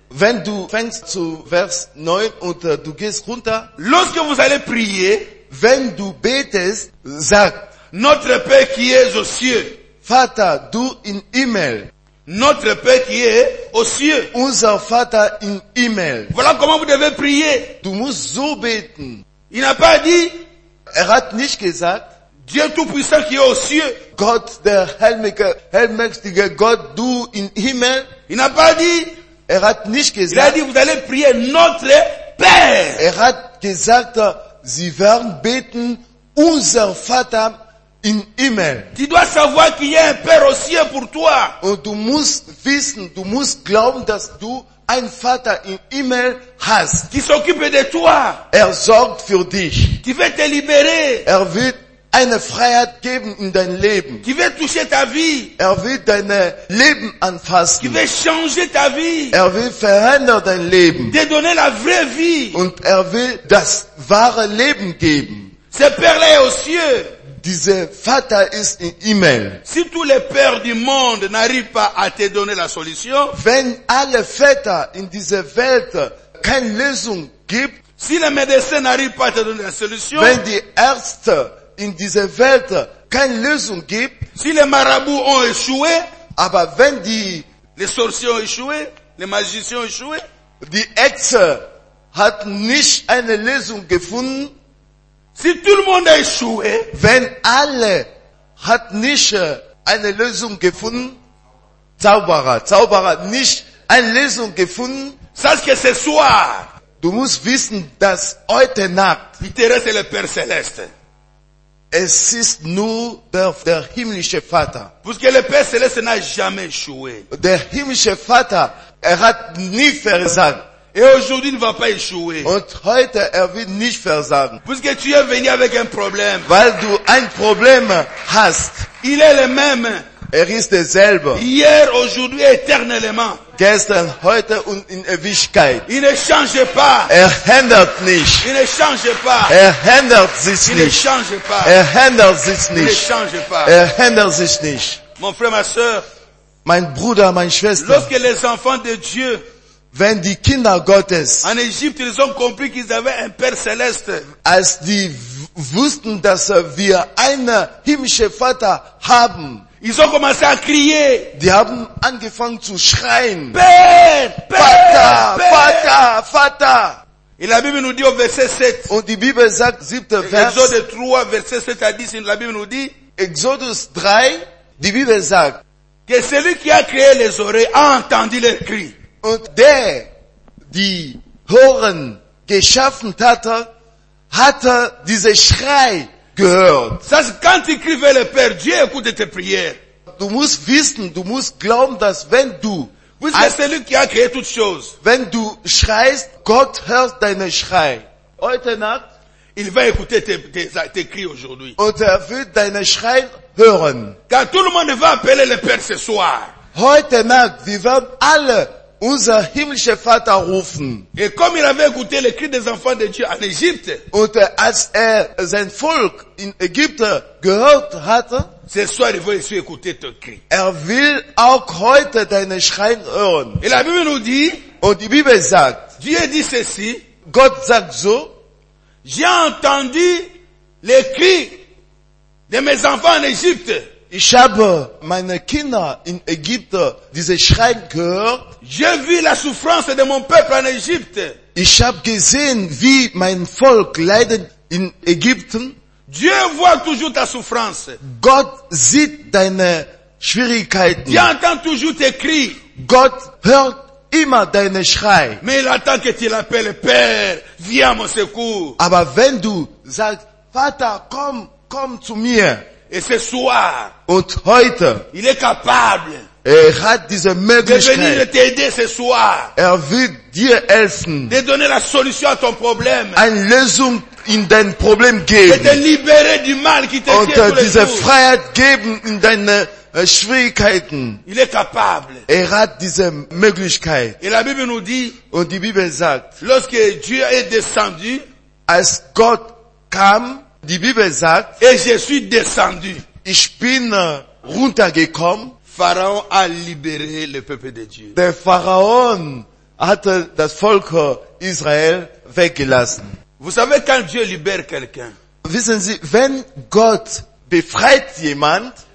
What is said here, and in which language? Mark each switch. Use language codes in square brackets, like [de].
[de] wenn du fängst zu Vers 9 und du gehst runter, [fr] lorsque vous allez prier, [de] wenn du betest, sagt, [fr] notre Père qui est aux cieux, [de] Vater, du in Himmel, [fr] notre Père qui est aux cieux. [de] Unser Vater in Himmel. [fr] Voilà comment vous devez prier. [de] Du musst so beten. [fr] Il n'a pas dit. [de] Er hat nicht gesagt. [fr] Dieu Tout-Puissant qui est aux cieux. [de] Gott, der Heilmächtige Gott, du in Himmel. [fr] Il n'a pas dit. [de] Er hat nicht gesagt. [fr] Il a dit, vous allez prier notre Père. [de] Er hat gesagt, sie werden beten, unser Vater in Himmel. [fr] Tu dois savoir qu'il y a un Père aux cieux pour toi. [de] Und du musst wissen, du musst glauben, dass du einen Vater in Himmel hast. [fr] Qui s'occupe de toi. [de] Er sorgt für dich. [fr] Qui veut te libérer. [de] Er wird eine Freiheit geben in dein Leben. [fr] Qui veut toucher ta vie. [de] Er wird dein Leben anfassen. [fr] Qui veut changer ta vie. [de] Er will verändern dein Leben. [fr] Te donner la vraie vie. [de] Und er will das wahre Leben geben. [fr] Ce Père-là est aux cieux. [de] Dieser Vater ist in Himmel. [fr] Si tous les pères du monde n'arrivent pas à te donner la solution, [de] wenn alle Väter in dieser Welt keine Lösung gibt, [fr] si les médecins n'arrivent pas à te donner la solution, [de] wenn die Ärzte in dieser Welt keine Lösung gibt, [fr] si les marabouts ont échoué, [de] aber wenn die [fr] les sorciers ont échoué, les magiciens ont échoué, [de] die Hexe hat nicht eine Lösung gefunden. [fr] Si tout le monde a échoué, [de] wenn alle hat nicht eine Lösung gefunden, Zauberer nicht eine Lösung gefunden, [fr] sache que ce soir, [de] du musst wissen, dass heute Nacht, [fr] il te reste le Père Céleste. [de] Es ist nur der himmlische Vater. [fr] Puisque le Père Céleste n'a jamais échoué. [de] Der himmlische Vater, hat nie versagt. [fr] Et aujourd'hui, il ne va pas échouer. [de] Und heute, wird nicht versagen. [fr] Puisque tu es venu avec un problème. [de] Weil du ein Problem hast. [fr] Il est le même. [de] Ist derselbe. [fr] Hier, aujourd'hui, éternellement. [de] Gestern, heute und in Ewigkeit. [fr] Il ne change pas. [de] Ändert nicht. [fr] Il ne change pas. [de] Ändert sich nicht. [fr] Il ne change pas. [de] Ändert sich nicht. [fr] Il ne change pas. [de] Ändert sich nicht. [fr] Mon frère, ma sœur. [de] Mein Bruder, meine Schwester. [fr] Lorsque les enfants de Dieu. [de] Wenn die Kinder Gottes, [fr] en Egypte, ils ont compris qu'ils avaient un Père Céleste, [de] als die wussten, dass wir einen himmlischen Vater haben, [fr] ils ont commencé à crier. [de] Die haben angefangen zu schreien. [fr] Père, [de] Vater. [fr] Et la Bible nous dit au verset 7. [de] Und die Bibel sagt, 7. Vers. [fr] Exode 3, verset 7 à 10, la Bible nous dit. [de] Exodus 3, die Bibel sagt. [fr] Que celui qui a créé les oreilles a entendu leur cri. [de] Und der, die Ohren geschaffen hatte diese Schrei gehört. [fr] Das quand il crie vers le Père, Dieu écoute tes prières. [de] Du musst wissen, du musst glauben, dass wenn du, [fr] celui qui a créé toutes choses, [de] wenn du schreist, Gott hört deine Schrei. Heute Nacht, [fr] il va écouter tes cris aujourd'hui. [de] Und wird deine Schrei hören. [fr] Car tout le monde va appeler le Père ce soir. [de] Heute Nacht, wir werden alle unser himmlischer Vater rufen. [fr] Et comme il avait écouté les cris des enfants de Dieu en Égypte, [de] und als sein Volk in Ägypten gehört hatte, [fr] ce soir, il veut aussi écouter ton cri. [de] Will auch heute deine Schreien hören. [fr] Et la Bible nous dit, [de] Und die Bibel sagt, [fr] Dieu dit ceci, [de] Gott sagt so, [fr] j'ai entendu les cris de mes enfants en Égypte. [de] Ich habe meine Kinder in Ägypten diese Schreien gehört. [fr] J'ai vu la souffrance de mon peuple en Égypte. [de] Ich habe gesehen, wie mein Volk leidet in Ägypten. [fr] Dieu voit toujours ta souffrance. [de] Gott sieht deine Schwierigkeiten. [fr] Dieu entend toujours tes cris. [de] Gott hört immer deine Schrei. [fr] Mais il attend que tu l'appelles, Père, viens à mon secours. [de] Aber wenn du sagst, Vater, komm zu mir. [fr] Et ce soir, [de] und heute, [fr] il est capable. [de] Er hat diese Möglichkeit. [fr] De venir t'aider ce soir. [de] Er will dir helfen. [fr] De donner la solution à ton problème. [de] Eine Lösung in dein Problem geben. [fr] De te libérer du mal qui te [de] und diese Freiheit geben in deine Schwierigkeiten. [fr] Il est capable. [de] Er hat diese Möglichkeit. [fr] Et la Bible nous dit, [de] und die Bibel sagt, [fr] lorsque Dieu est descendu, [de] als Gott kam, die Bibel sagt, [fr] et je suis descendu, [de] ich bin runtergekommen, [fr] Pharaon a libéré le peuple de Dieu. [de] Der Pharaon hatte das Volk Israel weggelassen. [fr] Vous savez, quand Dieu libère quelqu'un, [de] wissen Sie, wenn Gott befreit jemand,